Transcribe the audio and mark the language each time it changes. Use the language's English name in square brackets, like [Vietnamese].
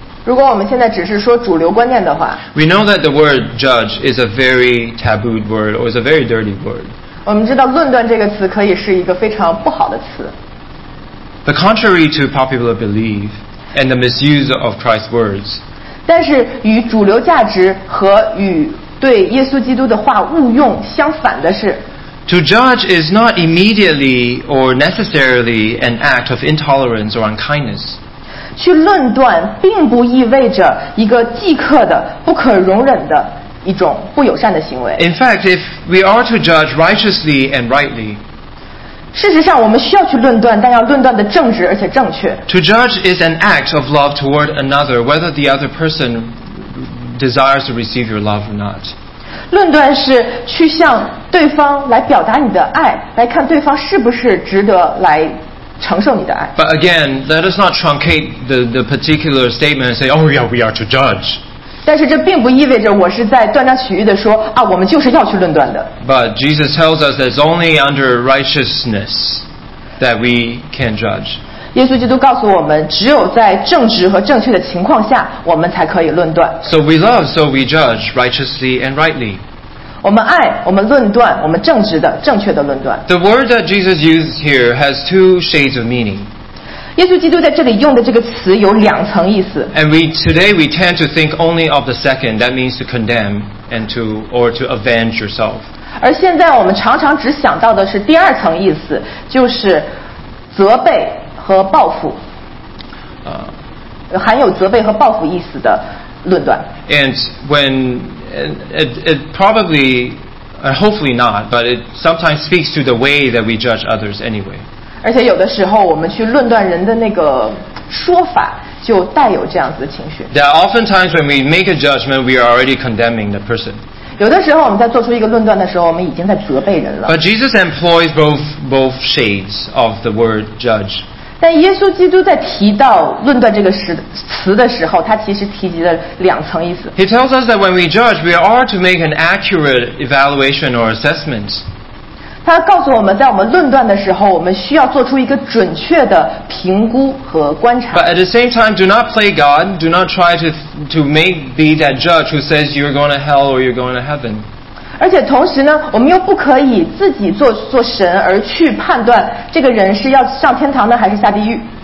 [Chinese] 如果我们现在只是说主流观念的话 [English] we know that the word judge is a very tabooed word or is a very dirty word. [Chinese] 我们知道论断这个词可以是一个非常不好的词。 [English] But contrary to popular belief and the misuse of Christ's words, [Chinese] 但是与主流价值和与对耶稣基督的话误用相反的是 [English] To judge is not immediately or necessarily an act of intolerance or unkindness. [Chinese] 去论断并不意味着一个即刻的、不可容忍的一种不友善的行为。 [English] In fact, if we are to judge righteously and rightly, [Chinese] 事实上我们需要去论断，但要论断的正直而且正确。 [English] To judge is an act of love toward another, whether the other person desires to receive your love or not. [Chinese] 论断是去向对方来表达你的爱来看对方是不是值得来承受你的爱。 [English] But again, let us not truncate the particular statement and say, "Oh yeah, we are to judge." [Chinese] 但是这并不意味着我是在断章取义的说啊，我们就是要去论断的。 [English] But Jesus tells us that it's only under righteousness that we can judge. [Chinese] 耶稣基督告诉我们，只有在正直和正确的情况下，我们才可以论断。 [English] So we love, so we judge righteously and rightly. [Chinese] 我们爱，我们论断，我们正直的、正确的论断。 [English] The word that Jesus used here has two shades of meaning. [Chinese] 耶稣基督在这里用的这个词有两层意思。 [English] And today we tend to think only of the second. That means to condemn and to avenge yourself. [Chinese] 而现在我们常常只想到的是第二层意思，就是责备和报复。含有责备和报复意思的论断。 [English] And when it probably, hopefully not, but it sometimes speaks to the way that we judge others anyway. [Chinese] 而且有的时候我们去论断人的那个说法就带有这样子的情绪。 [English] That oftentimes when we make a judgment, we are already condemning the person. [Chinese] 有的时候我们在做出一个论断的时候，我们已经在责备人了。 [English] But Jesus employs both shades of the word judge. [Chinese] 但耶稣基督在提到论断这个词的时候，他其实提及了两层意思。 [English] He tells us that when we judge, we are to make an accurate evaluation or assessment. [Chinese] 他告诉我们，在我们论断的时候，我们需要做出一个准确的评估和观察。 [English] But at the same time, do not play God. Do not try to make be that judge who says you're going to hell or you're going to heaven. [Chinese] 而且同时呢，我们又不可以自己做神而去判断这个人是要上天堂呢，还是下地狱。